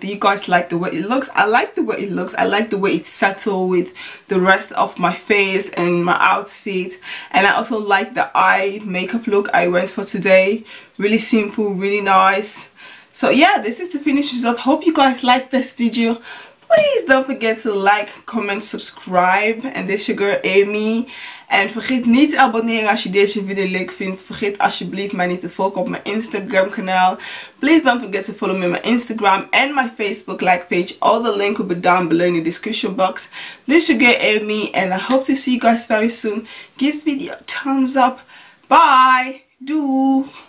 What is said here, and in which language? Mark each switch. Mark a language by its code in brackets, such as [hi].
[en] Do you guys like the way it looks? I like the way it looks. I like the way it settles with the rest of my face and my outfit. And I also like the eye makeup look I went for today. Really simple, really nice. So yeah, this is the finished result. Hope you guys like this video. Please don't forget to like, comment, subscribe. And this is your girl Amy. [nl] En vergeet niet te abonneren als je deze video leuk vindt. Vergeet alsjeblieft mij niet te volgen op mijn Instagram kanaal. [en] Please don't forget to follow me on my Instagram and my Facebook like page. All the links will be down below in the description box. This is your girl Amy and I hope to see you guys very soon. Give this video a thumbs up. Bye. Doei.